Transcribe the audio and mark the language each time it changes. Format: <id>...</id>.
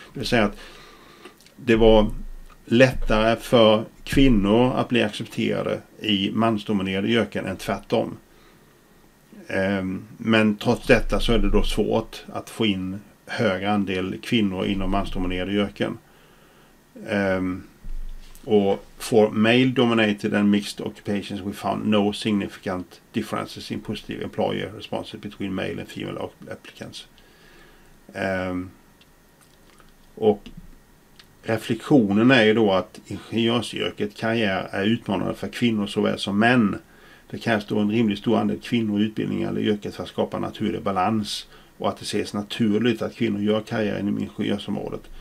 <sv>Det vill säga att det var lättare för kvinnor att bli accepterade i mansdominerade yrken än tvärtom. Men trots detta så är det då svårt att få in hög andel kvinnor inom mansdominerade yrken.</sv> <en>Och for male dominated and mixed occupations we found no significant differences in positive employer responses between male and female applicants.</en> <sv>Och reflektionen är ju då att ingenjörsyrket karriär är utmanande för kvinnor såväl som män. Det krävs då en rimligt stor andel kvinnor i utbildningen eller yrket för att skapa naturlig balans, och att det ses naturligt att kvinnor gör karriär inom ingenjörsområdet.</sv>